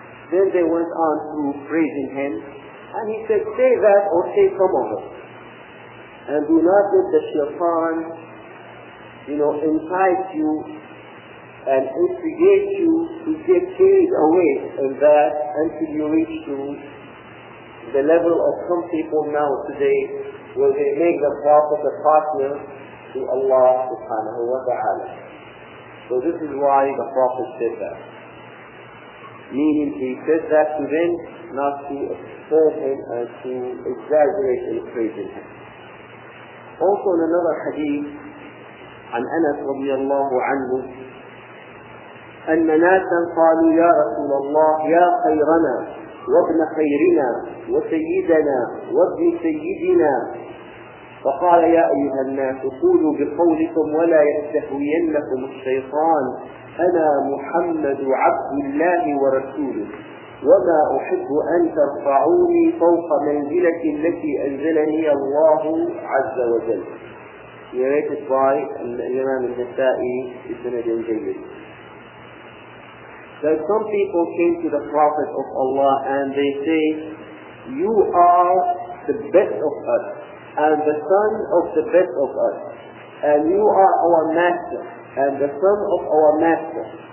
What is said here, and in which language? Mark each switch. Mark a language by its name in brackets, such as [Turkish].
[English] Then they went on to praising him, and he said, "Say that or say some of it, and do not let the shaitan, you know, entice you and instigate you to get carried away in that until you reach to the level of some people now today, where they make the Prophet a partner to Allah subhanahu wa ta'ala." So this is why the Prophet said that. Meaning he said that to them, not to extol him and to exaggerate and praise him. Also in another hadith, [Arabic] عن أنس رضي الله عنه, أن ناسا قالوا يا رسول الله يا خيرنا وابن خيرنا وسيدنا وابن سيدنا, فقال يا أيها الناس قولوا بقولكم ولا يستهوينكم الشيطان, أنا محمد عبد الله ورسوله, وما أحب أن ترفعوني فوق منزلة التي أنزلني الله عز وجل. [English] Narrated by [Arabic] الإمام النسائي بسند جيد. [English] That some people came to the Prophet of Allah and they say, "You are the best of us and the son of the best of us, and you are our master and the son of our master."